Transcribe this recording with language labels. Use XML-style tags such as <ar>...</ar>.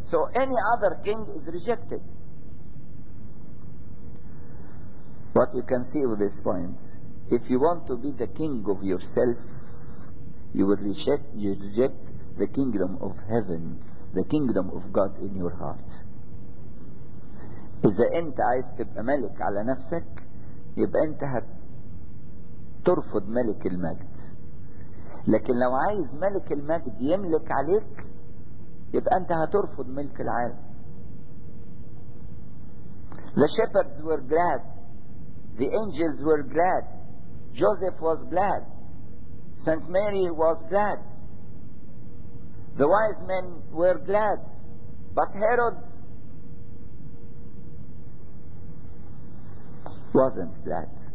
<en>So any other king is rejected. What you can see with this point, if you want to be the king of yourself, you will reject the kingdom of heaven, the kingdom of God in your heart.</en> <ar>إذا أنت عايز تبقى ملك على نفسك يبقى أنت هترفض ملك المجد. لكن لو عايز ملك المجد يملك عليك يبقى أنت هترفض ملك العالم.</ar> <en>The shepherds were glad. The angels were glad. Joseph was glad. Saint Mary was glad. The wise men were glad. But Herod wasn't glad.</en>